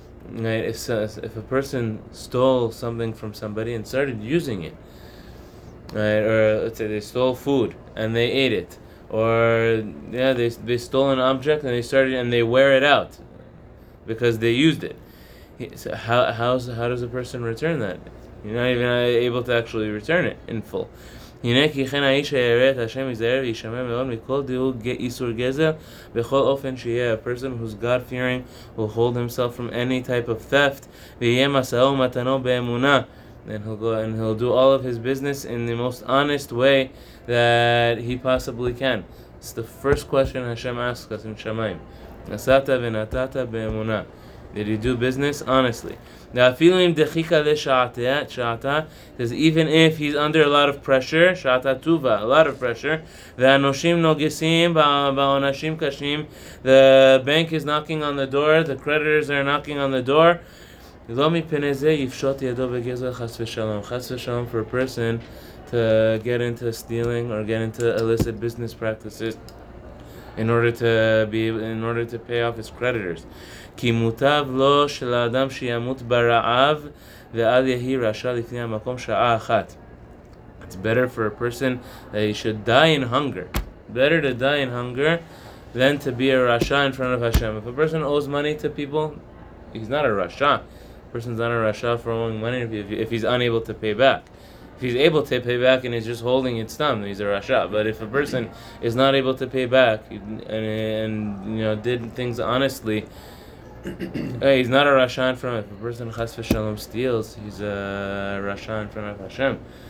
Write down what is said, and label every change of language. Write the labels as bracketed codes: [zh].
[en] Right, if a person stole something from somebody and started using it, right, or let's say they stole food and they ate it, or yeah, they stole an object and they wear it out, because they used it. So how does a person return that? You're not even able to actually return it in full. [he] הנה כי כן האיש הירא את השם יזהר וישמע מאוד מכל דיוק איסור גזל בכל אופן שיהיה. [en] A person who's God-fearing will hold himself from any type of theft [he] ויהיה מסעו ומתנו באמונה. [en] Then he'll go and he'll do all of his business in the most honest way that he possibly can. It's the first question Hashem asks us in Shemaim. [he] נסעת ונתת באמונה. [en] Did you do business honestly? Now, [he] אפילו אם דחיקה לשעתה, [en] says even if he's under a lot of pressure, [he] שעתה טובה, [en] a lot of pressure, [he] והנושים נוגסים בעונשים קשים, [en] the bank is knocking on the door, the creditors are knocking on the door, [he] לא מפני זה יפשוט ידו בגזל חס ושלום. חס ושלום [en] for a person to get into stealing or get into illicit business practices in order to pay off his creditors. [he] כי מוטב לו של האדם שימות ברעב ועל יהי רשע לפני המקום שעה אחת. [en] It's better for a person that he should die in hunger. Better to die in hunger than to be a rasha in front of Hashem. If a person owes money to people, he's not a rasha. A person's not a rasha for owing money if he's unable to pay back. If he's able to pay back and he's just holding it stum, he's a rasha. But if a person is not able to pay back and did things honestly, hey, he's not a Rasha in front of a person Chas V'Shalom steals, he's a Rasha in front of Hashem.